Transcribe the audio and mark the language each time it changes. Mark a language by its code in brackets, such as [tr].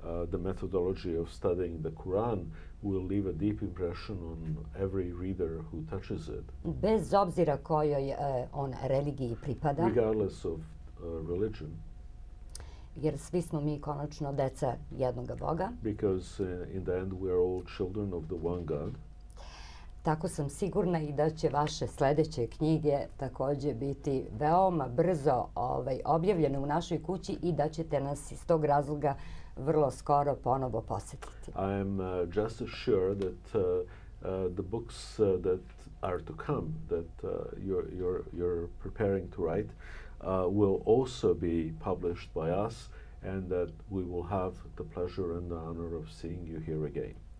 [en] the methodology of studying the Quran will leave a deep impression on every reader who touches it. [sr] Bez obzira kojoj on religiji pripada. [en] Regardless of religion. [sr] Jer svi smo mi konačno deca jednoga Boga. [en] Because in the end we are all children of the one God. [sr] Tako sam sigurna i da će vaše sledeće knjige takođe biti veoma brzo objavljene u našoj kući i da ćete nas iz tog razloga vrlo skoro ponovo posetiti. [en] I am just sure that the books that are to come, that you're preparing to write, will also be published by us and that we will have the pleasure and the honor of seeing you here again.